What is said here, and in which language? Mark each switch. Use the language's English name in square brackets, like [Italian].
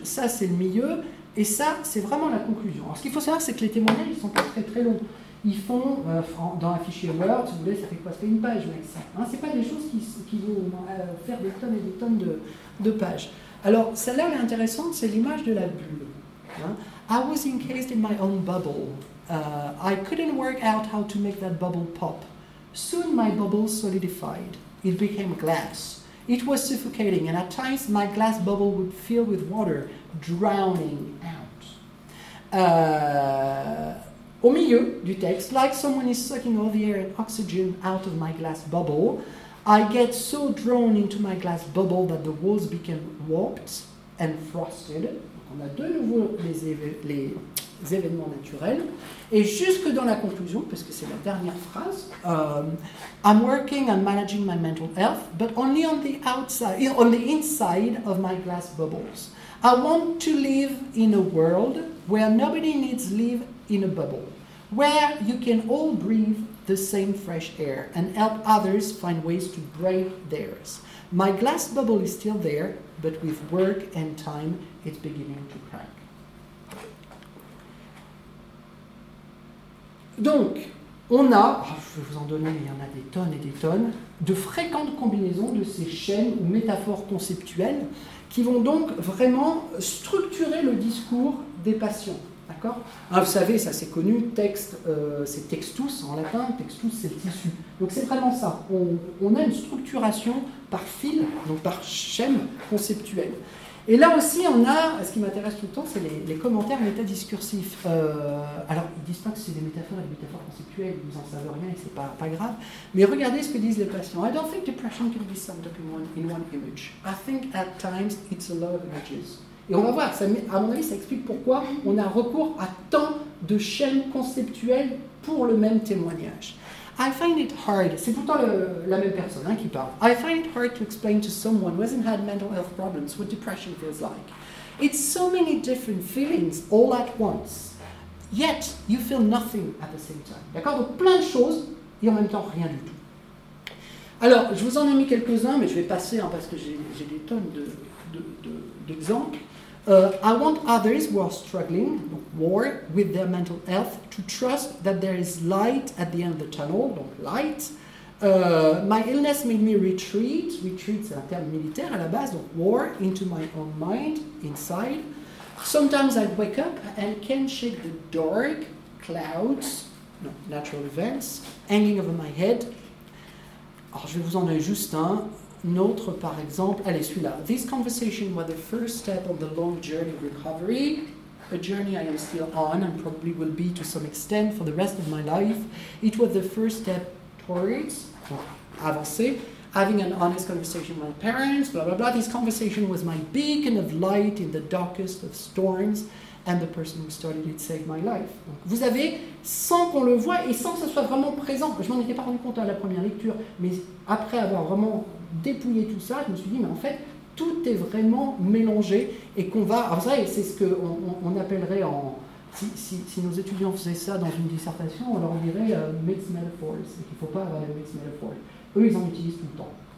[French] Ça, c'est le milieu. Et ça, c'est vraiment la conclusion. Alors, ce qu'il faut savoir, c'est que les témoignages, ils sont pas très, très longs. ils font dans un fichier Word, si vous voulez, ça fait quoi? Ça fait une page, mec. Ça. Hein, c'est pas des choses qui vont faire des tonnes et des tonnes de pages. Alors, celle-là, elle est intéressante, c'est l'image de la bulle. [English] Hein. I was encased in my own bubble. I couldn't work out how to make that bubble pop. Soon my bubble solidified. It became glass. It was suffocating, and at times my glass bubble would fill with water, drowning out. [French] Au milieu du texte, [English] like someone is sucking all the air and oxygen out of my glass bubble, I get so drawn into my glass bubble that the walls become warped and frosted. [French] Donc on a de nouveau les événements naturels. Et jusque dans la conclusion, parce que c'est la dernière phrase, [English] I'm working on managing my mental health, but only on the outside, on the inside of my glass bubbles. I want to live in a world where nobody needs live in a bubble, where you can all breathe the same fresh air and help others find ways to break theirs. My glass bubble is still there, but with work and time, it's beginning to crack. [French] Donc, on a, je vais vous en donner, il y en a des tonnes et des tonnes, de fréquentes combinaisons de ces chaînes ou métaphores conceptuelles qui vont donc vraiment structurer le discours des patients. D'accord ? Alors, vous savez, ça c'est connu, texte, c'est textus en latin, textus c'est le tissu. Donc c'est vraiment ça, on a une structuration par fil, donc par chaîne conceptuelle. Et là aussi, on a, ce qui m'intéresse tout le temps, c'est les commentaires métadiscursifs. Alors, ils disent pas que c'est des métaphores et des métaphores conceptuelles, ils n'en savent rien et c'est pas grave. Mais regardez ce que disent les patients. [English] I don't think depression can be summed up in one image. I think at times it's a lot of images. [French] Et on va voir, ça, à mon avis, ça explique pourquoi on a recours à tant de chaînes conceptuelles pour le même témoignage. [English] I find it hard, [French] c'est pourtant la même personne hein, qui parle. [English] I find it hard to explain to someone who hasn't had mental health problems what depression feels like. It's so many different feelings all at once. Yet, you feel nothing at the same time. [French] D'accord ? Donc plein de choses et en même temps rien du tout. Alors, je vous en ai mis quelques-uns, mais je vais passer hein, parce que j'ai des tonnes d'exemples. [English] I want others who are struggling, war, with their mental health, to trust that there is light at the end of the tunnel, donc light. My illness made me retreat, [French] c'est un terme militaire à la base, donc [English] war, into my own mind, inside. Sometimes I wake up and can shake the dark clouds, no, natural events, hanging over my head. [French] Alors, je vais vous en donner juste un. Notre, par exemple, allez, celui-là. [English] This conversation was the first step of the long journey of recovery, a journey I am still on and probably will be to some extent for the rest of my life. It was the first step towards, avancer, having an honest conversation with my parents, blah, blah, blah. This conversation was my beacon of light in the darkest of storms and the person who started it saved my life. [French] Donc, vous avez, sans qu'on le voit et sans que ce soit vraiment présent, je m'en étais pas rendu compte à la première lecture, mais après avoir vraiment dépouiller tout ça, je me suis dit, mais en fait, tout est vraiment mélangé et qu'on va... Alors ça, c'est ce qu'on appellerait en... Si nos étudiants faisaient ça dans une dissertation, on leur dirait « mixed metaphors », et qu'il ne faut pas avoir de mixed metaphors. Eux, ils en utilisent tout le temps.